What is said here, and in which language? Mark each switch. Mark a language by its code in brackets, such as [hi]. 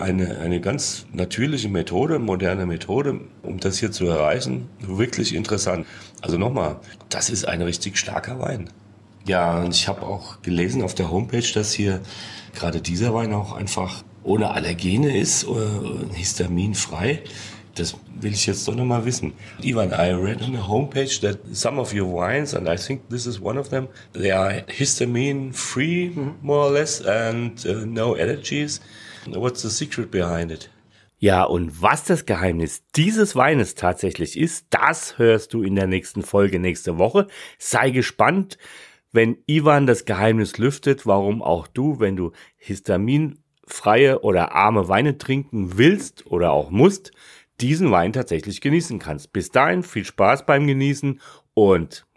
[de] Eine ganz natürliche Methode, moderne Methode, um das hier zu erreichen. Wirklich interessant. Also nochmal, das ist ein richtig starker Wein. Ja, und ich habe auch gelesen auf der Homepage, dass hier gerade dieser Wein auch einfach ohne Allergene ist, histaminfrei. Das will ich jetzt doch noch mal wissen. [en] Ivan, I read on the homepage that some of your wines, and I think this is one of them, they are histamine-free, more or less, and no allergies. What's the secret behind it? [de] Ja, und was das Geheimnis dieses Weines tatsächlich ist, das hörst du in der nächsten Folge nächste Woche. Sei gespannt, wenn Ivan das Geheimnis lüftet, warum auch du, wenn du histaminfreie oder arme Weine trinken willst oder auch musst, diesen Wein tatsächlich genießen kannst. Bis dahin viel Spaß beim Genießen und